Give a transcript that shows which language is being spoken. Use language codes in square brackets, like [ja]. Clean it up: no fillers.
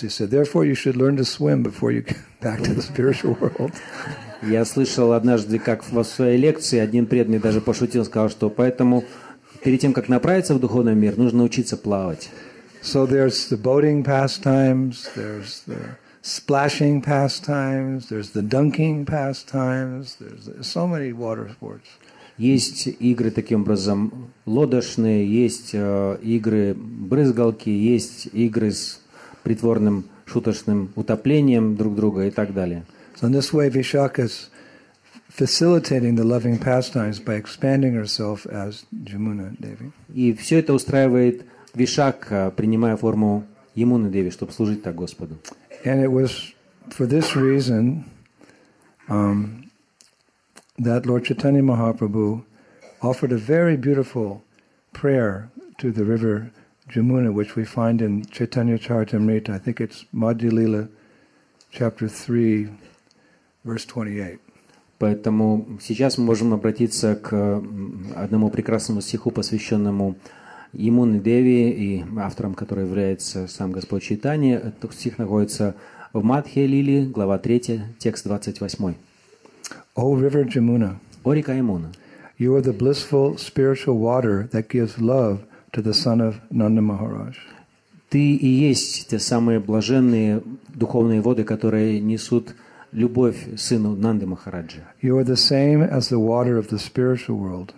[en] He said, "Therefore, you should learn to swim before you get back to the spiritual world." [ru] Я слышал однажды, как в своей лекции один преданный даже пошутил, сказал, что поэтому перед тем, как направиться в духовный мир, нужно учиться плавать. [en] So there's the boating pastimes, there's the splashing pastimes, there's the dunking pastimes, there's so many water sports. [ru] Есть игры таким образом лодочные, есть игры брызгалки, есть игры с притворным шуточным утоплением друг друга и так далее. [en] So in this way Vishakha is facilitating the loving pastimes by expanding herself as Jamuna Devi. [ru] И все это устраивает Вишакха, принимая форму Ямуны Деви, чтобы служить так Господу. [en] And it was for this reason that Lord Chaitanya Mahaprabhu offered a very beautiful prayer to the river Jamuna, which we find in Chaitanya Charitamrita. I think it's Madhya Lila, chapter 3, verse 28. [ru] Поэтому сейчас мы можем обратиться к одному прекрасному стиху, посвященному Ямуне Деви, и автором которого является сам Господь Чайтанья. Этот стих находится в Мадхе Лили, глава 3, текст 28. [en] O River Jamuna, [ru] O река Ямуна, [en] you are the blissful spiritual water that gives love to the son of Nanda Maharaj. [ru] Ты и есть те самые блаженные духовные воды, которые несут любовь сыну Нанды Махараджи. [en] You are the same as the water of the spiritual world.